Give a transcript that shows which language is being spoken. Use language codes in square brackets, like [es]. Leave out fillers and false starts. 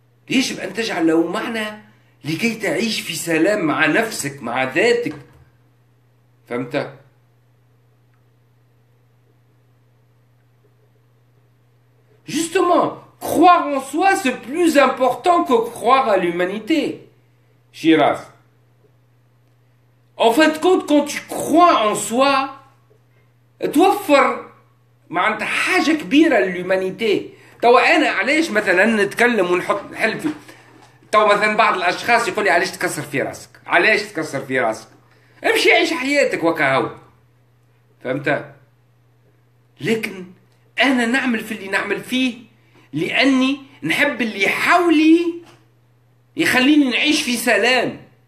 [ar] يجب أن تجعل له معنى لكي تعيش في سلام مع نفسك مع ذاتك، فهمت؟ [fr] justement croire en soi c'est plus important que croire à l'humanité. Shiraz, en fin de compte quand tu crois en soi [ar] توفر معناتها حاجة كبيرة للهيومانيتي. توا أنا علاش مثلا نتكلم ونحط نحل في توا مثلا بعض الأشخاص يقول لي علاش تكسر في راسك؟ علاش تكسر في راسك؟ امشي عيش حياتك وكهو، فهمت؟ لكن أنا نعمل في اللي نعمل فيه لأني نحب اللي حولي يخليني نعيش في سلام.